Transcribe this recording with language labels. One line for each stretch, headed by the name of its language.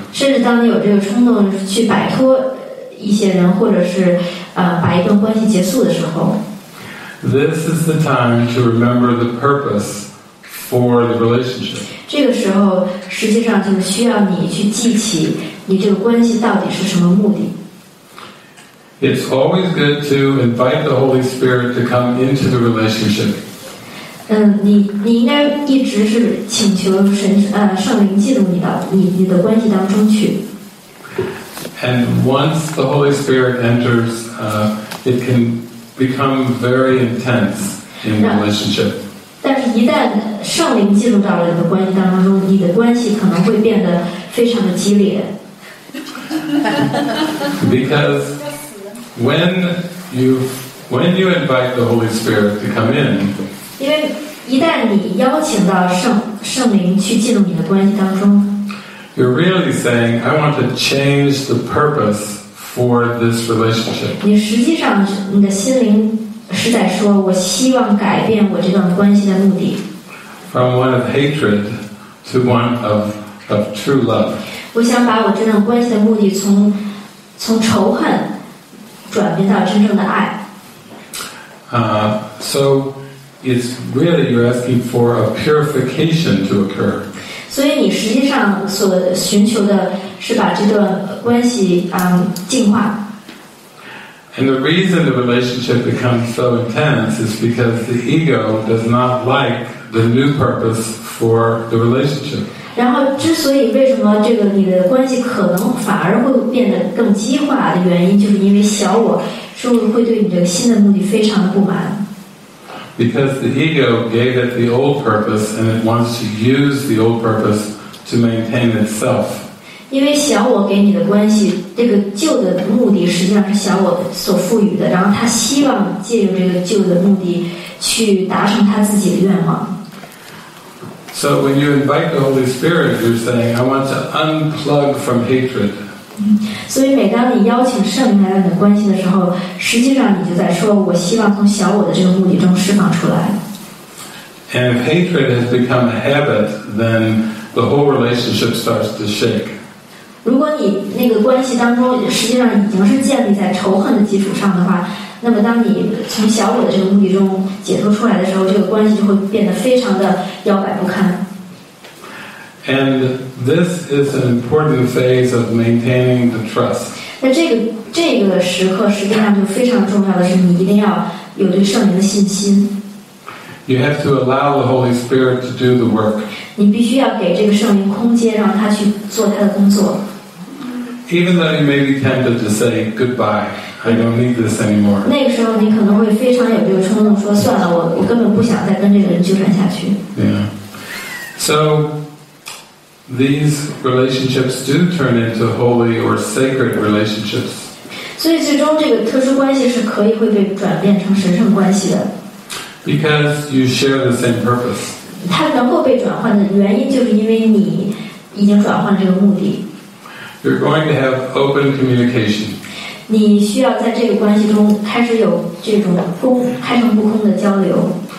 Chinese: 甚至当你有这个冲动去摆脱一些人，或者是把一段关系结束的时候，
English: this is the time to remember the purpose for the relationship.
Chinese: 这个时候实际上就是需要你去记起你这个关系到底是什么目的。
English: It's always good to invite the Holy Spirit to come into the relationship.
Chinese: 你应该一直是请求圣灵进入你的关系当中去。
English: And once the Holy Spirit enters, it can become very intense in relationship.
Chinese: 但是一旦圣灵进入到了你的关系当中，你的关系可能会变得非常的激烈。
English: Because when you invite the Holy Spirit to come in.
Chinese: 一旦你邀请到圣灵去进入你的关系当中，
English: You're really saying, I want to change the purpose for this relationship.
Chinese: 你实际上，你的心灵是在说，我希望改变我这段关系的目的。
English: From one of hatred to one of true love.
Chinese: 我想把我这段关系的目的从仇恨转变到真正的爱。
English: So,It's really you're asking for a purification to occur.
Chinese: 所以你实际上所寻求的是把这段关系净化。
English: And the reason the relationship becomes so intense is because the ego does not like the new purpose for the relationship.
Chinese: 然后之所以为什么这个你的关系可能反而会变得更激化的原因，就是因为小我是会对你这个新的目的非常的不满。
English: Because the ego gave it the old purpose and it wants to use the old purpose to maintain itself.
Chinese: 因为小我给你的关系，这个旧的目的实际上是小我所赋予的，然后他希望借用这个旧的目的去达成他自己的愿望。
English: So when you invite the Holy Spirit, you're saying, I want to unplug from hatred.
Chinese: 所以每当你邀请圣灵来到你的关系的时候，实际上你就在说，我希望从小我的这个目的中释放出来。
English: And if hatred has become a habit, then the whole relationship starts to shake.
Chinese: 如果你那个关系当中实际上已经是建立在仇恨的基础上的话，那么当你从小我的这个目的中解脱出来的时候，这个关系就会变得非常的摇摆不堪。
English: And this is an important phase of maintaining the trust.
Chinese: 那这个时刻实际上就非常重要的是，你一定要有对圣灵的信心。
English: You have to allow the Holy Spirit to do the work.
Chinese: 你必须要给这个圣灵空间，让他去做他的工作。
English: Even though you may be tempted to say goodbye, I don't need this anymore.
Chinese: 那个时候你可能会非常有这个冲动，说算了，我根本不想再跟这个人纠缠下去。
English: Yeah. So. These relationships do turn into holy or sacred relationships.
Chinese: 所以最终这个特殊关系是可以会被转变成神圣关系的。
English: Because you share the same purpose.
Chinese: 它能够被转换的原因就是因为你已经转换了这个目的。
English: You're going to have open communication.
Chinese: 你需要在这个关系中开始有这种空开诚布公的交流。